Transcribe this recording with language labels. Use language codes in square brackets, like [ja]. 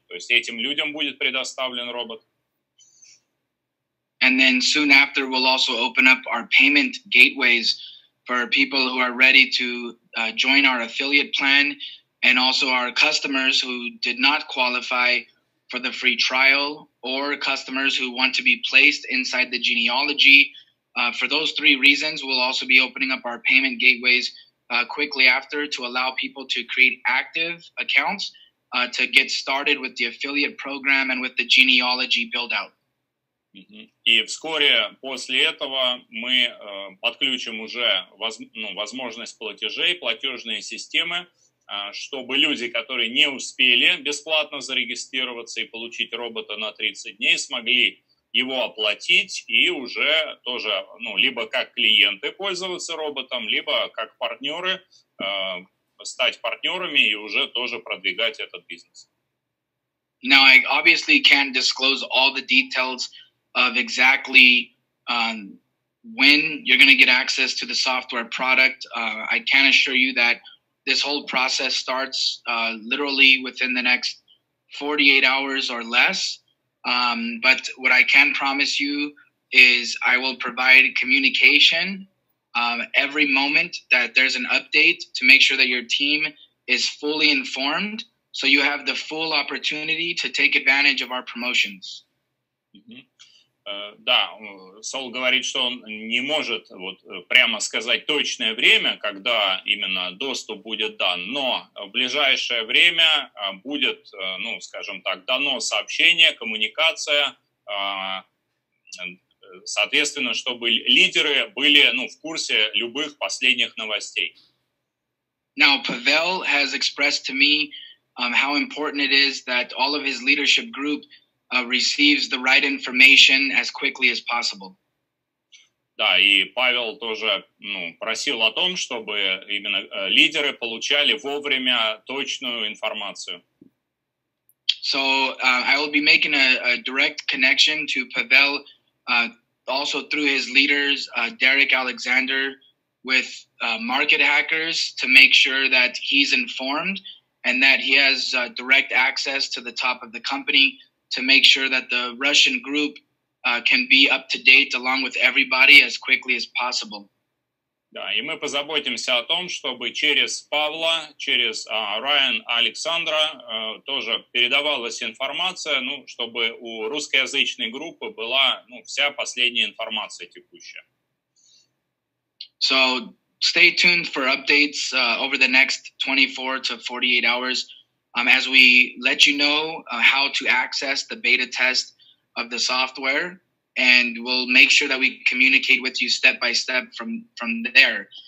[ru] То есть этим людям будет предоставлен робот. [en] And then soon after we'll also open up our payment gateways for people who are ready to join our affiliate plan and also our customers who did not qualify for the free trial or customers who want to be placed inside the genealogy. For those three reasons, we'll also be opening up our payment gateways quickly after to allow people to create active accounts to get started with the affiliate program and with the genealogy build-out. [ru] И вскоре после этого мы подключим уже возможность платежей, платежные системы, чтобы люди, которые не успели бесплатно зарегистрироваться и получить робота на 30 дней, смогли его оплатить и уже тоже, либо как клиенты пользоваться роботом, либо как партнеры, стать партнерами и уже тоже продвигать этот бизнес. [en] Now, I obviously can't disclose all the details of exactly when you're going to get access to the software product. I can assure you that this whole process starts literally within the next 48 hours or less. But what I can promise you is I will provide communication every moment that there's an update to make sure that your team is fully informed, so you have the full opportunity to take advantage of our promotions. [ru] Да, Сол говорит, что он не может прямо сказать точное время, когда именно доступ будет дан, но в ближайшее время будет, дано сообщение, коммуникация, соответственно, чтобы лидеры были в курсе любых последних новостей. [en] Now, Pavel has expressed to me how important it is that all of his leadership group receives the right information as quickly as possible. [ru] Да, и Павел тоже просил о том, чтобы именно лидеры получали вовремя точную информацию. [en] So I will be making a direct connection to Pavel also through his leaders, Derek Alexander, with Market Hackers to make sure that he's informed and that he has direct access to the top of the company to make sure that the Russian group can be up to date along with everybody as quickly as possible. [ru] Да, и мы позаботимся о том, чтобы через Павла, через Райан Александра тоже передавалась информация, чтобы у русскоязычной группы была вся последняя информация текущая. [en] So stay tuned for updates over the next 24 to 48 hours. As we let you know how to access the beta test of the software, and we'll make sure that we communicate with you step by step from there.